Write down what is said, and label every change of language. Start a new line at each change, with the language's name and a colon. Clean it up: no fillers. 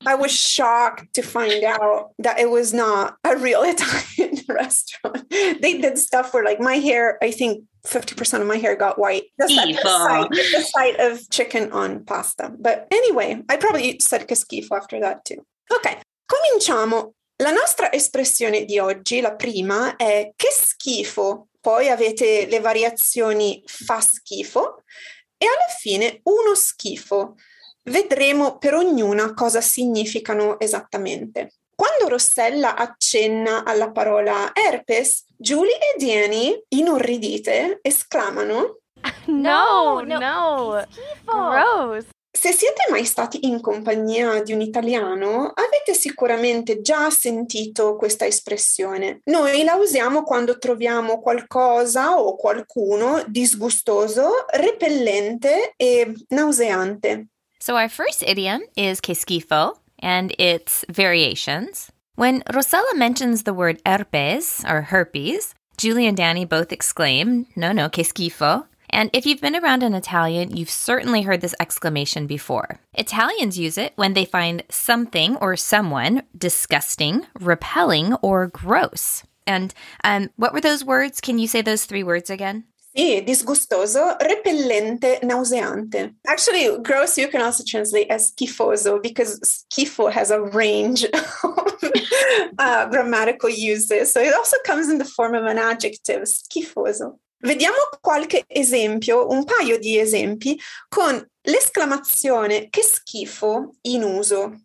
English: I was shocked to find out that it was not a real Italian restaurant. They did stuff where like my hair, I think 50% of my hair got white. The sight of chicken on pasta. But anyway, I probably said che schifo after that too.
Italian: Okay, cominciamo. La nostra espressione di oggi, la prima, è che schifo. Poi avete le variazioni fa schifo e alla fine uno schifo. Vedremo per ognuna cosa significano esattamente. Quando Rossella accenna alla parola herpes, Julie e Danny, inorridite, esclamano No, schifo!
English: Gross!
Italian: Se siete mai stati in compagnia di un italiano, avete sicuramente già sentito questa espressione. Noi la usiamo quando troviamo qualcosa o qualcuno disgustoso, repellente e nauseante.
English: So our first idiom is che schifo and its variations. When Rossella mentions the word herpes or herpes, Julie and Danny both exclaim, no, no, che schifo. And if you've been around an Italian, you've certainly heard this exclamation before. Italians use it when they find something or someone disgusting, repelling, or gross. And what were those words? Can you say those three words again?
Italian: Sì, disgustoso, repellente, nauseante.
English: Actually, gross you can also translate as schifoso because schifo has a range of grammatical uses. So it also comes in the form of an adjective, schifoso.
Italian: Vediamo qualche esempio, un paio di esempi, con l'esclamazione che schifo in uso.